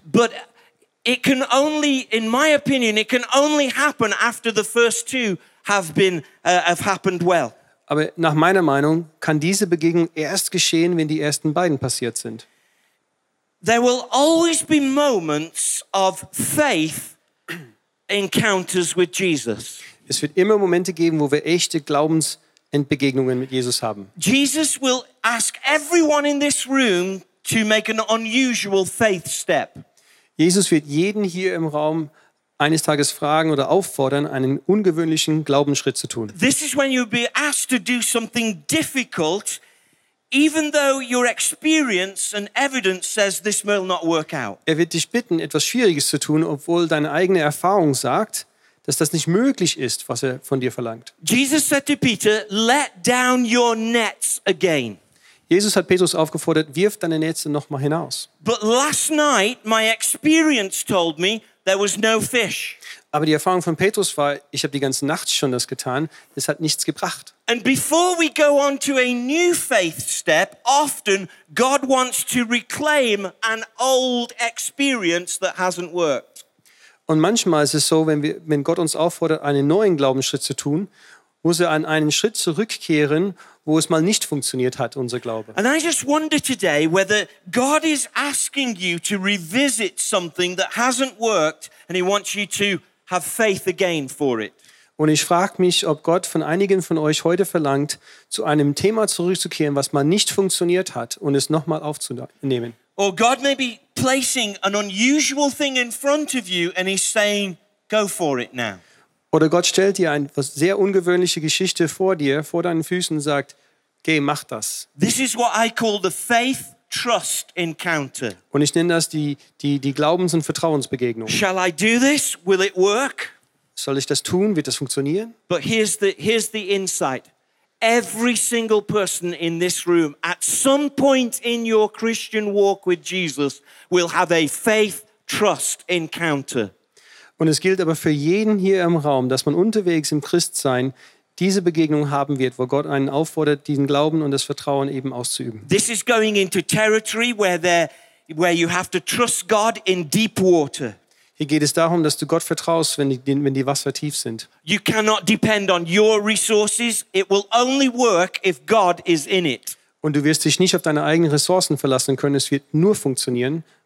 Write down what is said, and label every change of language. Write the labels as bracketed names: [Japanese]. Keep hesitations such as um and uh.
[English] But it can only in my opinion it can only happen after the first two have been have happened well. [German] Aber nach meiner Meinung kann diese Begegnung erst geschehen, wenn die ersten beiden passiert sind. [English] there will always be moments of faith encounters with Jesus. [German] Es wird immer Momente geben, wo wir echte Glaubensentbegegnungen mit Jesus haben. [English] Jesus will ask everyone in this room to make an unusual faith step. [German] Jesus wird jeden hier im Raum eines Tages fragen oder auffordern, einen ungewöhnlichen Glaubensschritt zu tun. [English] This is when you'll be asked to do something difficult even though your experience and evidence says this will not work out. [German] Er wird dich bitten, etwas Schwieriges zu tun, obwohl deine eigene Erfahrung sagt, dass das nicht möglich ist, was er von dir verlangt. [English] Jesus said to Peter, let down your nets again. [German] Jesus hat Petrus aufgefordert, wirf deine Netze noch mal hinaus. [English] But last night my experience told me there was no fish. [German] Aber die Erfahrung von Petrus war, ich habe die ganze Nacht schon das getan, es hat nichts gebracht. Und bevor wir [English] go on to a new faith step, often God wants to reclaim an old experience that hasn't worked. [German] Und manchmal ist es so, wenn wir wenn Gott uns auffordert, einen neuen Glaubensschritt zu tun, muss er an einen Schritt zurückkehren, wo es mal nicht funktioniert hat, unser Glaube. [English] And I just wonder today whether God is asking you to revisit something that hasn't worked and he wants you to Have faith again for it. [German] Und ich frage mich, ob Gott von einigen von euch heute verlangt, zu einem Thema zurückzukehren, was mal nicht funktioniert hat, und es nochmal aufzunehmen. [English] Saying, Go [German] Oder Gott stellt dir eine sehr ungewöhnliche Geschichte vor dir, vor deinen Füßen, und sagt, geh, mach das. [English] This is what I call the faith trust encounter. [German] Und ich nenne das die, die, die Glaubens- und Vertrauensbegegnung. [English] Shall I do this? Will it work? [German] Soll ich das tun? Wird das funktionieren? [English] But here's the, here's the insight. Every single person in this room at some point in your Christian walk with Jesus will have a faith trust encounter. [German] Und es gilt aber für jeden hier im Raum, dass man unterwegs im Christ. diese Begegnung haben wird, wo Gott einen auffordert, diesen Glauben und das Vertrauen eben auszuüben. [English] This is going into territory where there, where you have to trust God in deep water. [German] Hier geht es darum, dass du Gott vertraust, wenn die, wenn die Wasser tief sind. [English] You cannot depend on your resources. It will only work if God is in it. [German] Und du wirst dich nicht auf deine eigenen Ressourcen verlassen können. Es wird nur funktionieren,